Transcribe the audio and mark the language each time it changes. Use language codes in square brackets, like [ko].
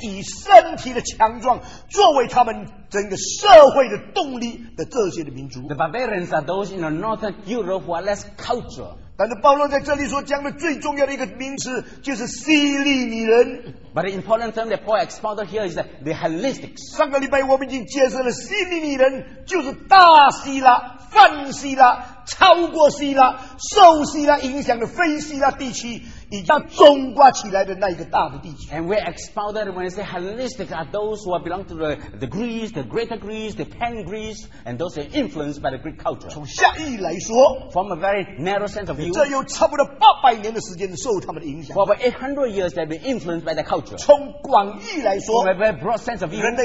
[zh] 这里说讲的话外人就是指那些北方没有受高深文化熏陶，那些以身体的强壮作为他们 整个社会的动力的这些的民族。 [en] The barbarians are those in the northern Europe who are less cultured. [zh] 但是保罗在这里所讲的最重要的一个名词 就是希利尼人。 [en] But the important term that Paul expounded here is that the Hellenistics. [zh] 上个礼拜我们已经介绍了希利尼人 就是大希腊, 泛希腊, 超过希腊, 受希腊影响的非希腊地区, 已经中括起来的那一个大的地区。 [en] And we expounded when we say Hellenistics are those who belong to the Greece, the Greater Greece, the Pan Greece, and those who are influenced by the Greek culture. [zh] 从下意来说, [en] from a very narrow sense of view, [zh] 这有差不多800年的时间受他们的影响。 [en] For about 800 years they've been influenced by the culture. [zh] 从广义来说, [en] from a very broad sense of view,